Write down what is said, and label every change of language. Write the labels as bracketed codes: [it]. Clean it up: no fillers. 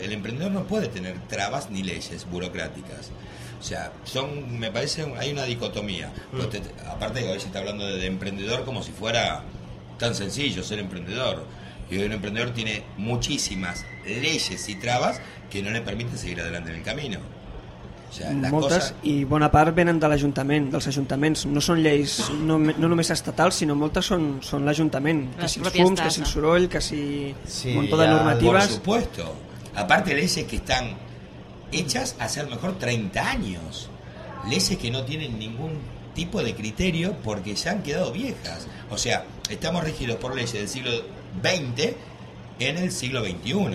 [es] El emprendedor no puede tener trabas ni leyes burocráticas. O sea, me parece, hay una dicotomía. Aparte que hoy se está hablando de emprendedor como si fuera tan sencillo ser emprendedor. Y hoy un emprendedor tiene muchísimas leyes y trabas que no le permiten seguir adelante en el camino. [ca] O sea, moltes cosa... i bona part venen de l'Ajuntament, dels ajuntaments. No són lleis no només estatals, sinó moltes són l'Ajuntament. Que si els fums, que si el soroll, que si sí, [es] un montón de normatives. Por supuesto. Aparte, leyes que están hechas hace a lo mejor 30 años. Leyes que no tienen ningún tipo de criterio porque ya han quedado viejas. O sea, estamos regidos por leyes del siglo XX en el siglo XXI.